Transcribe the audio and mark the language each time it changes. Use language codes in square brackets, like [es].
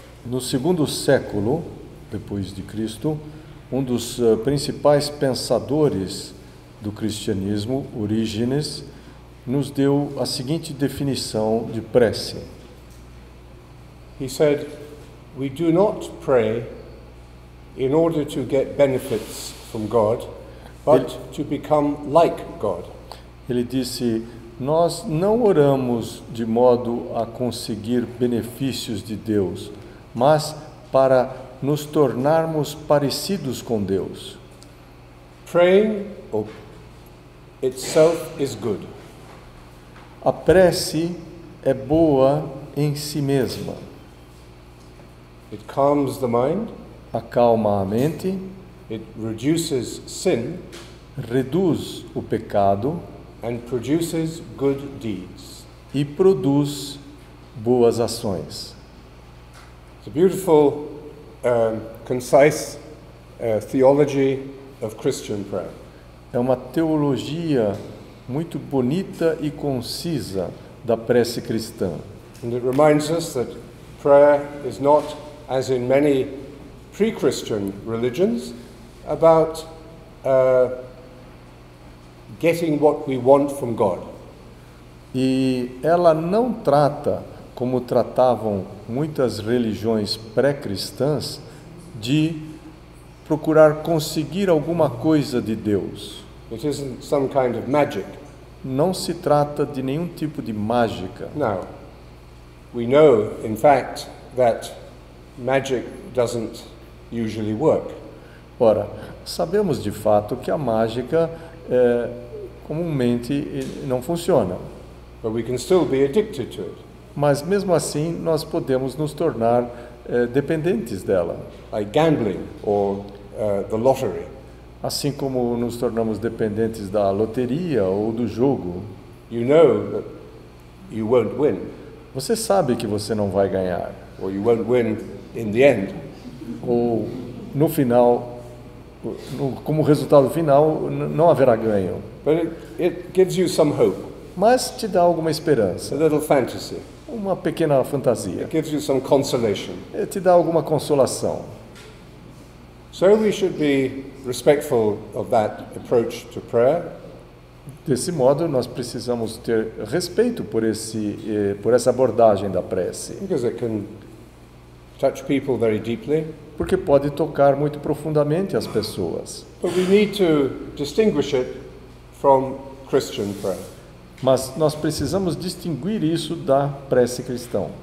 [pt] No segundo século, depois de Cristo, um dos principais pensadores do cristianismo, Orígenes, nos deu a seguinte definição de prece. [en] He said, "We do not pray in order to get benefits from God, but to become like God." [pt] Ele disse: "Nós não oramos de modo a conseguir benefícios de Deus, mas para nos tornarmos parecidos com Deus." [en] Praying itself is good. [pt] A prece é boa em si mesma. [en] It calms the mind. [pt] Acalma a mente. [en] It reduces sin. [pt] Reduz o pecado. [en] And produces good deeds. [pt] E produz boas ações. [en] It's a beautiful, concise, theology of Christian prayer. [pt] É uma teologia muito bonita e concisa da prece cristã. [en] And it reminds us that prayer is not, as in many pre-Christian religions, about getting what we want from God. [pt] E ela não trata, como tratavam muitas religiões pré-cristãs, de procurar conseguir alguma coisa de Deus. [en] It isn't some kind of magic. [pt] Não se trata de nenhum tipo de mágica. [en] Now, we know, in fact, that magic doesn't usually work. [pt] Ora, sabemos de fato que a mágica comumente não funciona. [en] But we can still be addicted to it. [pt] Mas mesmo assim nós podemos nos tornar dependentes dela. [en] Like gambling or the lottery. [pt] Assim como nos tornamos dependentes da loteria ou do jogo. [en] You know that you won't win. [pt] Você sabe que você não vai ganhar. [en] Or you won't win in the end. [pt] Ou no final, como resultado final, não haverá ganho. [en] But it gives you some hope. [pt] Mas te dá alguma esperança. [en] A little fantasy. [pt] Uma pequena fantasia. [en] It gives you some consolation. [pt] Te dá alguma consolação. [en] So we should be respectful of that approach to prayer. [pt] Desse modo, nós precisamos ter respeito por essa abordagem da prece. [en] Because it can touch people very deeply. [pt] Porque pode tocar muito profundamente as pessoas. [en] But we need to distinguish it from Christian prayer. [pt] Mas nós precisamos distinguir isso da prece cristã.